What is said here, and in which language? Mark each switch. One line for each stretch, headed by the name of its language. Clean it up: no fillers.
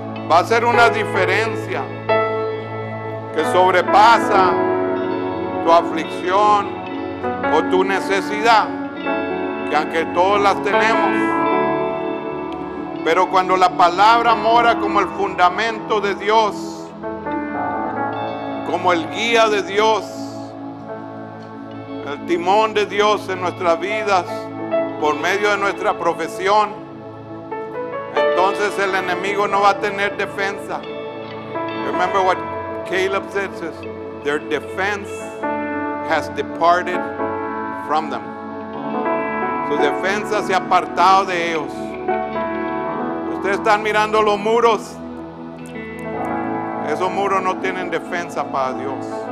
Spanish: va a ser una diferencia que sobrepasa tu aflicción o tu necesidad, que aunque todos las tenemos, pero cuando la palabra mora como el fundamento de Dios, como el guía de Dios, el timón de Dios en nuestras vidas, por medio de nuestra profesión, entonces el enemigo no va a tener defensa.
English: Remember what Caleb said, says, their defense has departed from them.
Spanish: Su defensa se ha apartado de ellos. Ustedes están mirando los muros. Esos muros no tienen defensa para Dios.